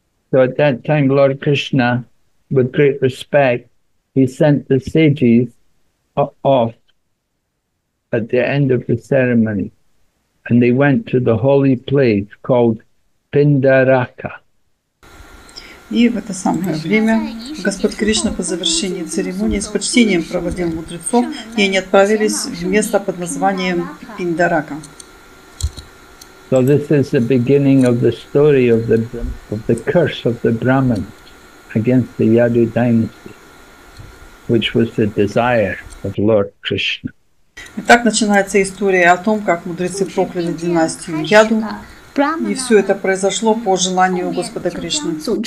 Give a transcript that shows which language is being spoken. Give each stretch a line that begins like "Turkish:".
English: So at that time Lord Krishna, with great respect, he sent the sages off at the end of the ceremony. And they went to the holy place called Pindaraka.
Russian: И в это самое время Господь Кришна по завершении церемонии с почтением проводил мудрецов, и они отправились в место под названием Пиндарака.
English: So this is the beginning of the story of the curse of the Brahmins against the Yadu dynasty, which was the desire of Lord Krishna.
Russian: Итак, начинается история о том, как мудрецы прокляли династию Яду. И все это произошло по желанию Господа Кришны.